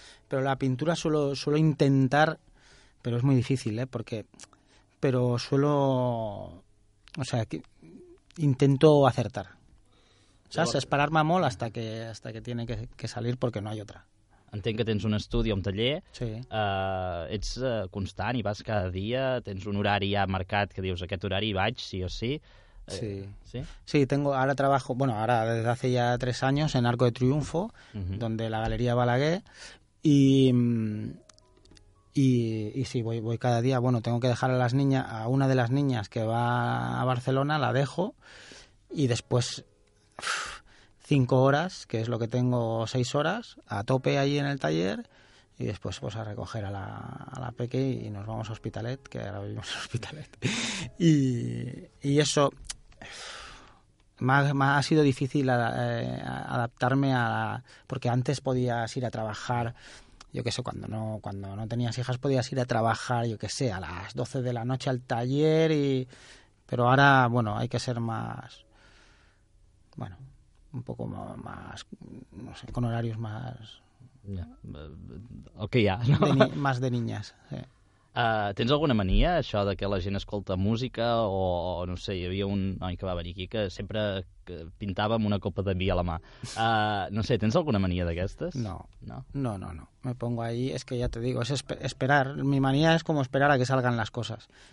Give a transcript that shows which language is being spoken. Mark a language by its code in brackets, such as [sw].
[es] Pero la pintura suelo intentar... Pero es muy difícil, ¿eh? Porque... Pero suelo... O sea, intento acertar. O sea, es parar mamol hasta que tiene que salir, porque no hay otra. [ca] Entenc que tens un estudi, un taller. Sí. Ets constant, i vas cada dia, tens un horari ja marcat que dius aquest horari vaig, sí o sí. Sí. [es] Sí, [ca] ara [es] trabajo, bueno, ara desde hace ya 3 años en Arco de Triunfo, donde la Galería Balaguer, y sí, voy cada día. Bueno, tengo que dejar a una de las niñas que va a Barcelona, la dejo, y después... 5 horas, que es lo que tengo, 6 horas, a tope ahí en el taller, y después pues a recoger a la peque y nos vamos a Hospitalet, que ahora vivimos en Hospitalet. Y eso me ha sido difícil adaptarme a... Porque antes podías ir a trabajar, yo qué sé, cuando no tenías hijas podías ir a trabajar, yo qué sé, a las 12 de la noche al taller, y pero ahora, bueno, hay que ser más... Bueno... un poco más, no sé, con horarios más... [en] Yeah. [ca] El que hi ha, no? [es] Más de niñas, sí. [ca] Tens alguna mania, això de que la gent escolta música, o no sé, hi havia un noi que va venir aquí que sempre pintava amb una copa de vi a la mà. No sé, tens alguna mania d'aquestes? No. [es] Me pongo ahí, es que ya te digo, es esperar. Mi manía es como esperar a que salgan las cosas.